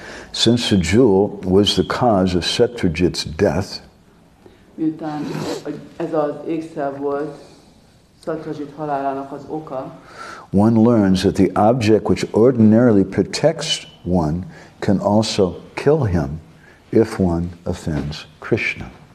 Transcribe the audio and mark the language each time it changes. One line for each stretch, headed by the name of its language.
English: Since the jewel was the cause of Satyajit's death,
Hungarian: miután ez az ékszer volt Satyajit halálának az oka,
English: one learns that the object which ordinarily protects one can also kill him if one offends Krishna.